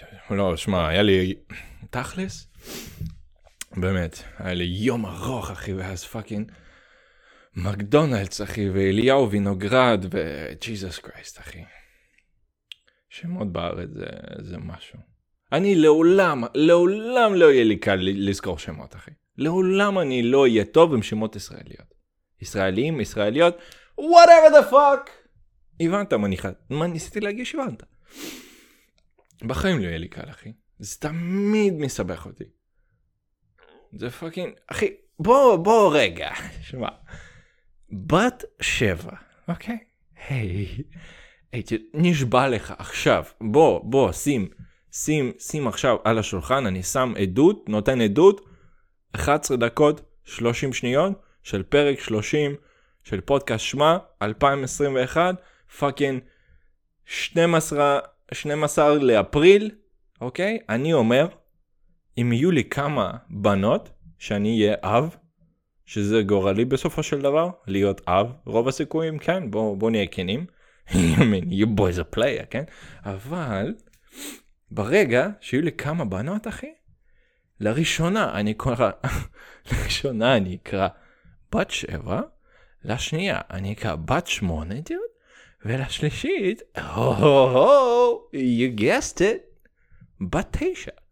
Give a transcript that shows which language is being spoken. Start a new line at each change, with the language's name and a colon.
Hebrew: לא, שמה, היה לי תכלס? באמת, היה לי יום ארוך, אחי, ואז פאקינג מקדונלדס, אחי, ואליהו וינוגרד, וג'יזוס קריסט, אחי. שמות בארץ זה משהו. אני לעולם, לעולם לא יהיה לי קל לזכור שמות, אחי. לעולם אני לא אהיה טוב עם שמות ישראליות. ישראלים, ישראליות,
English: whatever the fuck!
Hebrew: הבנת, מניחת. מה ניסיתי להגיד שהבנת? בחיים לא יהיה לי קל, אחי. זה תמיד מסבך אותי. זה פאקינג, אחי, בוא רגע, שמה. בת שבע, אוקיי? היי, נשבע לך עכשיו, בוא, שים עכשיו על השולחן, אני שם עדות, נותן עדות, 11 דקות, 30 שניות, של פרק 30, של פודקאסט שמה, 2021, פאקינג, 12 לאפריל, אוקיי? אני אומר, אם יהיו לי כמה בנות, שאני אהיה אב, שזה גורלי בסופו של דבר, להיות אב, רוב הסיכויים, כן? בוא נהיה כנים.
English: I mean, you boys are player, כן?
Hebrew: אבל, ברגע שיהיו לי כמה בנות, אחי, לראשונה אני אקרא בת שבע, לשנייה אני אקרא בת שמונה, דוד, ולשלישית,
English: you guessed it,
Hebrew: בת תשע.